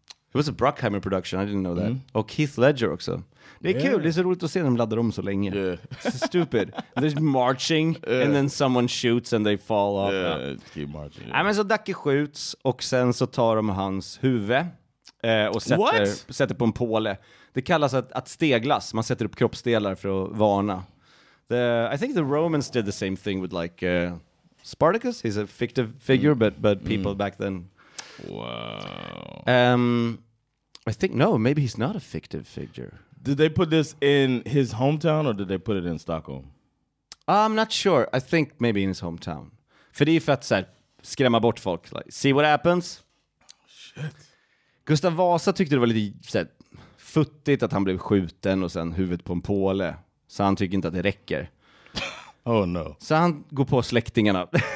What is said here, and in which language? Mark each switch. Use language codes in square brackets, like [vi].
[en] It was a Bruckheimer production, I didn't know that. [sv] Och Keith Ledger också. Det är kul, det är så roligt att se dem ladda om så länge. [en] Yeah. It's stupid. They're marching and then someone shoots and they fall off. Yeah, keep marching. Yeah. [sv] Men så Dacke skjuts och sen så tar de hans huvud och sätter på en påle. Det kallas att steglas. Man sätter upp kroppsdelar för att varna. [en] I think the Romans did the same thing with like Spartacus. He's a fictive figure, but people back then. Wow. I think, no, maybe he's not a fictive figure. Did they put this in his hometown or did they put it in Stockholm? I'm not sure. I think maybe in his hometown. [sv] För det är för att så här, skrämma bort folk. [en] Like, see what happens? Shit. [sv] Gustav Vasa tyckte det var lite så här, futtigt att han blev skjuten och sen huvudet på en påle. Så han tycker inte att det räcker. [en] Oh no. [sv] Så han går på släktingarna.